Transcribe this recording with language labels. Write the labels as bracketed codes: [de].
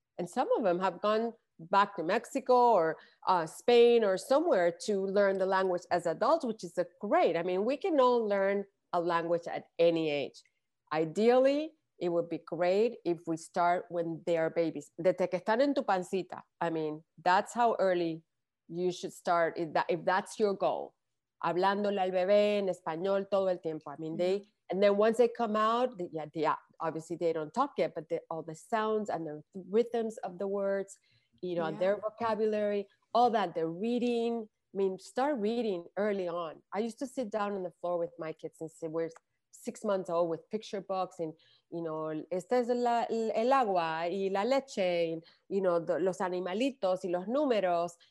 [en] And some of them have gone back to Mexico or Spain or somewhere to learn the language as adults, which is great. I mean, we can all learn a language at any age. Ideally, it would be great if we start when they are babies. [es] Desde que están en tu pancita. [en] I mean, that's how early you should start if that's your goal. [es] Hablándole al bebé en español todo el tiempo. [en] I mean, and then once they come out, obviously they don't talk yet, but all the sounds and the rhythms of the words, you know, yeah. their vocabulary, all that, the reading. I mean, start reading early on. I used to sit down on the floor with my kids and say, we're 6 months old with picture books and, you know, [es] este es el agua y la leche, [en] and, you know, [es] los animalitos y los números.